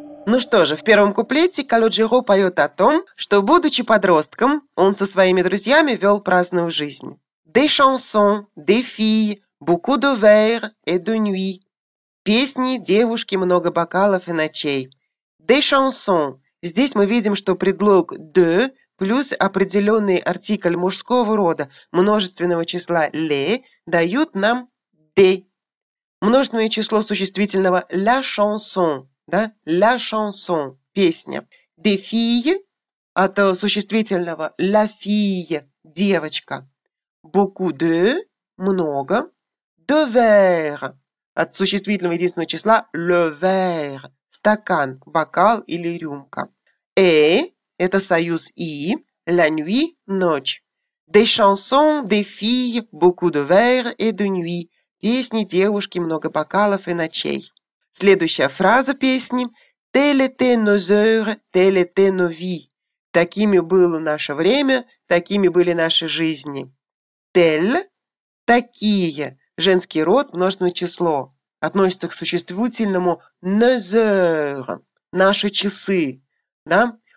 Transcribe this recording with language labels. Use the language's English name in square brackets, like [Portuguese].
[Russian] Ну что же, в первом куплете Калё Джеро поет о том, что, будучи подростком, он со своими друзьями вел праздную жизнь. [French] Des chansons, des filles, beaucoup de verre et de nuit. [Russian] Песни, девушки, много бокалов и ночей. [French] Des chansons. [Russian] Здесь мы видим, что предлог de плюс определенный артикль мужского рода множественного числа les дают нам «пей». Множественное число существительного [French] «la chanson», [Russian] да? [French] «La chanson» [Russian] – «песня». [French] «Des filles» [Russian] – от существительного [French] «la fille» [Russian] – «девочка». [French] «Beaucoup de» [Russian] – «много». [French] «De verre» [Russian] – от существительного единственного числа [French] «le verre» [Russian] – «стакан», «бокал» или «рюмка». «Et» – это союз «и», [French] «la nuit» [Russian] – «ночь». [French] «Des chansons, des filles, beaucoup de verre et de nuit» [Russian] – «песни, девушки, много бокалов и ночей». Следующая фраза песни – [French] «Telle était nos heures, telle était nos vies» [Russian] – «такими было наше время, такими были наши жизни». «Telle» – «такие» – женский род, множественное число, относится к существительному [French] «nos heures» [Russian] – «наши часы», да?